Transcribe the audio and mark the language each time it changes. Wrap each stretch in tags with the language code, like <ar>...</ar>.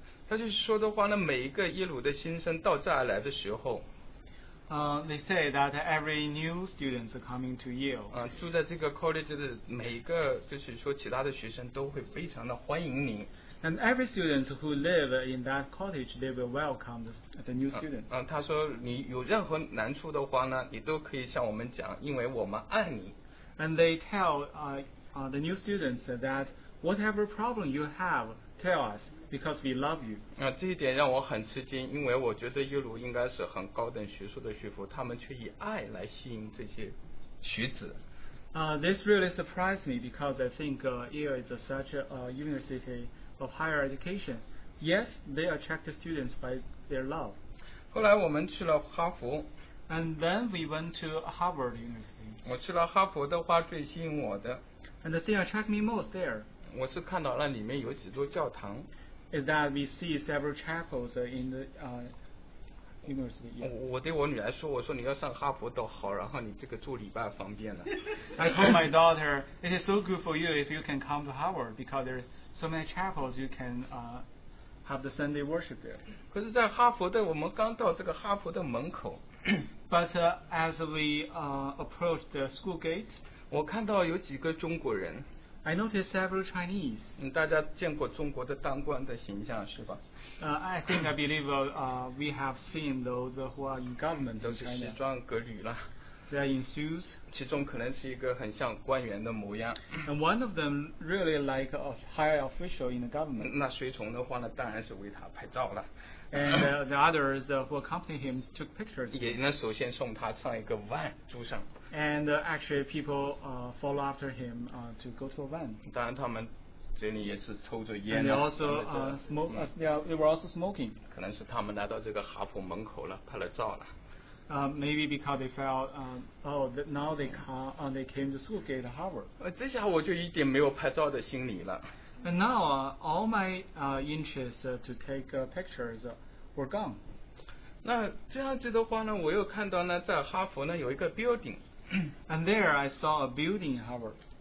<zh>他就是说的话呢，每一个耶鲁的新生到这儿来的时候</zh> <en>they say that every new student coming to Yale</en> <zh>住在这个 college 的每一个就是说其他的学生都会非常的欢迎您。</zh> <en>And every student who live in that college, they will welcome the new student</en> <zh>他说你有任何难处的话呢，你都可以向我们讲，因为我们爱你。</zh> <en>And they tell the new students that whatever problem you have, tell us. Because we love you.</en> <zh>这一点让我很吃惊，因为我觉得耶鲁应该是很高等学术的学府，他们却以爱来吸引这些学子。</zh> <en>This really surprised me because I think Yale is such a university of higher education. Yet they attract the students by their love.</en> <zh>后来我们去了哈佛。</zh> <en>And then we went to Harvard University.</en> <zh>我去了哈佛的话，最吸引我的。</zh> <en>And the thing attracted me most there.</en> <zh>我是看到那里面有几座教堂。</zh> <en>is that we see several chapels in the university. Yeah.</en> <zh>我对我女儿说，我说你要上哈佛都好，然后你这个住礼拜方便了。</zh> <en>I told my daughter, it is so good for you if you can come to Harvard because there's so many chapels you can have the Sunday worship there.</en> <zh>可是在哈佛的，我们刚到这个哈佛的门口。</zh> <en>But as we approach the school gate,</en> <zh>我看到有几个中国人。</zh> <en>I noticed several Chinese.</en> <zh>大家见过中国的当官的形象是吧？</zh> <en>I think I believe we have seen those who are in government in China.</en> <zh>都是西装革履了。</zh> <en>They are in suits.</en> <zh>其中可能是一个很像官员的模样。</zh> <en>And one of them really like a high official in the government.</en> <zh>那随从的话呢，当然是为他拍照了。</zh> <en>And the others who accompanied him took pictures.</en> <zh>也能首先送他上一个van住上。</zh> <en>And actually, people follow after him to go to a van.</en> <zh>当然，他们嘴里也是抽着烟。</zh> <en>And they also smoke. They were also smoking.</en> <zh>可能是他们来到这个哈佛门口了，拍了照了。</zh> <en>Maybe because they felt, now they came to school gate Harvard.</en> <zh>这下我就一点没有拍照的心理了。</zh> <en>And now all my interest to take pictures were gone.</en> <zh>那这样子的话呢，我又看到呢，在哈佛呢有一个building.</zh> <en>And there I saw a building in Harvard.</en>